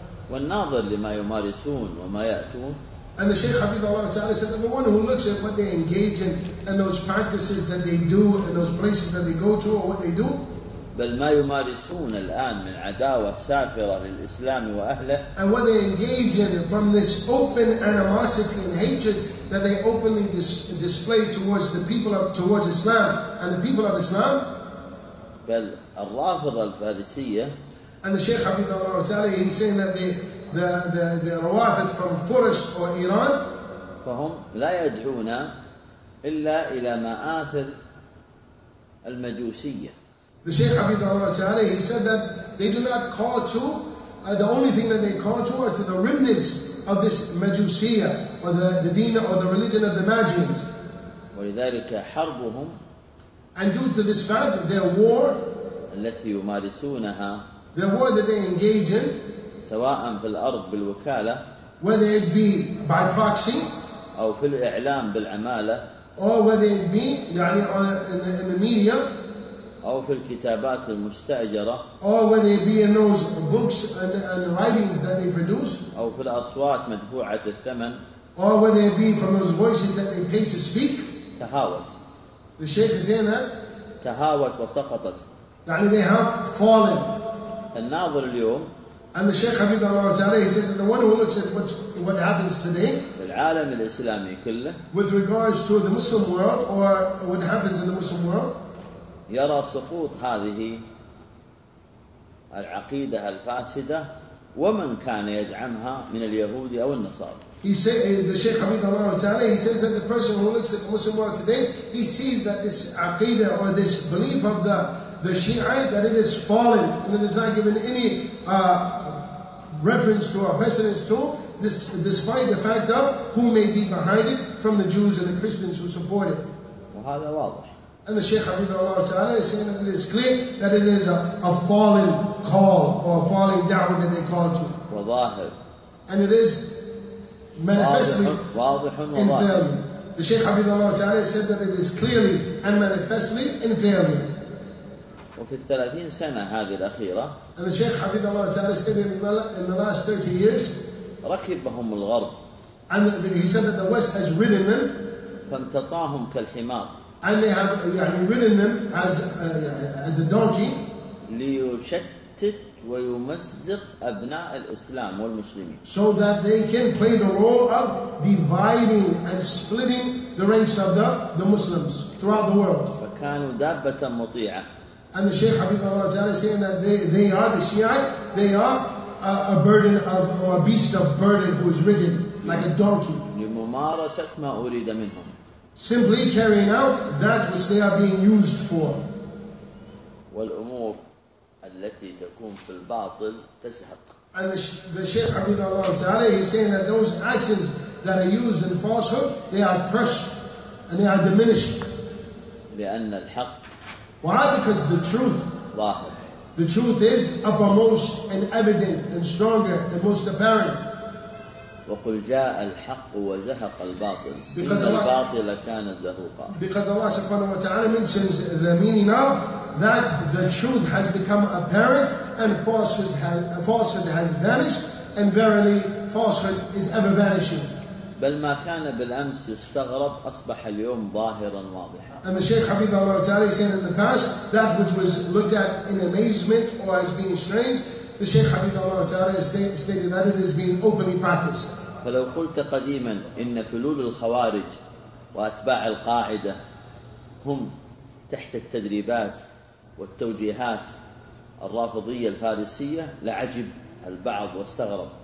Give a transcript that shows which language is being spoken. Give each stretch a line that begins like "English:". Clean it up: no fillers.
Arabic: والناظر لما يمارسون وما يأتون.
English: And the Shaykh
Arabic: حفظه الله تعالى
English: said that the one who looks at what they engage in and those practices that they do and those places that they go to or what they do.
Arabic: بل ما يمارسون الآن من عداوة سافرة للإسلام وأهله.
English: And what they engage in from this open animosity and hatred that they openly display towards the people of towards Islam and the people of Islam.
Arabic: بل الرافضة الفارسية.
English: And the Shaykh
Arabic: حفظه الله تعالى
English: he is saying that the Rawafid from Furs or Iran.
Arabic: فهم لا يدعون إلا إلى مآثر المجوسية.
English: The Shaykh
Arabic: حفظه الله تعالى
English: he said that they do not call to the only thing that they call to are to the remnants of this Majusiyya or the Deen or the religion of the Magians.
Arabic: ولذلك حربهم.
English: And due to this fact, their war,
Arabic: التي يمارسونها,
English: their war that they engage in,
Arabic: سواء في الأرض بالوكالة,
English: whether it be by proxy,
Arabic: أو في الإعلام بالعمالة,
English: or whether it be
Arabic: يعني
English: in the media,
Arabic: أو في الكتابات المستأجرة
English: or whether it be in those books and writings that they produce
Arabic: أو في الأصوات مدفوعة الثمن
English: or whether it be from those voices that they pay to speak
Arabic: تهاوت.
English: The Shaykh is saying that
Arabic: تهاوت وسقطت يعني
English: they have fallen.
Arabic: الناظر اليوم
English: and the Shaykh
Arabic: حفظه الله تعالى
English: he said that the one who looks at what happens today
Arabic: العالم الإسلامي كله
English: with regards to the Muslim world or what happens in the Muslim world
Arabic: يرى سقوط هذه العقيدة الفاسدة ومن كان يدعمها من اليهود أو النصارى.
English: He say, the Shaykh Hafidhullah Ta'ala, he says that the person who looks at the Muslim world today, he sees that this aqidah or this belief of the Shi'ite, that it is fallen, and it is not given any reference to or precedence to, this, despite the fact of who may be behind it from the Jews and the Christians who support it.
Arabic: وهذا واضح.
English: And the Shaykh Hafidhullah Ta'ala is saying that it is clear that it is a fallen call or a falling da'wah that they call to.
Arabic: وظاهر.
English: And it is manifestly
Arabic: واضح.
English: In failure. The Shaykh Hafidhullah Ta'ala said that it is clearly and manifestly in failure.
Arabic: وفي الثلاثين سنة هذه الأخيرة
English: and the Shaykh Hafidhullah Ta'ala said in the last 30 years
Arabic: ركبهم الغرب.
English: And he said that the West has ridden them
Arabic: فانتطاهم كالحمار.
English: And they have
Arabic: يعني,
English: ridden them as a donkey.
Arabic: ليشتت ويمزق أبناء الإسلام والمسلمين.
English: So that they can play the role of dividing and splitting the ranks of the Muslims throughout the world.
Arabic: فكانوا دابة مطيعة.
English: And the Shaykh Hafidhullah Ta'ala saying that they are the Shi'ite, they are a burden of or a beast of burden who is ridden like a donkey.
Arabic: لممارسة ما أريد منهم.
English: Simply carrying out that which they are being used for.
Arabic: والأمور التي تكون في الباطل تسحق.
English: And the Shaykh Hafidhullah Ta'ala, he's saying that those actions that are used in falsehood, they are crushed and they are diminished.
Arabic: لأن الحق
English: Why? Because the truth
Arabic: ظاهر.
English: The truth is uppermost and evident and stronger and most apparent.
Arabic: وقل جاء الحق وزهق الباطل إن الباطل كان زهوقا.
English: Because Allah subhanahu wa ta'ala mentions the meaning of that the truth has become apparent and falsehood has vanished and verily falsehood is ever vanishing.
Arabic: بل ما كان بالأمس استغرب أصبح اليوم ظاهرا واضحا.
English: And the Shaykh Hafidhullah Ta'ala said in the past that which was looked at in amazement or as being strange the Shaykh Hafidhullah Ta'ala stated that it is being openly practiced.
Arabic: فلو قلت قديما إن فلول الخوارج وأتباع القاعدة هم تحت التدريبات والتوجيهات الرافضية الفارسية لعجب البعض واستغرب.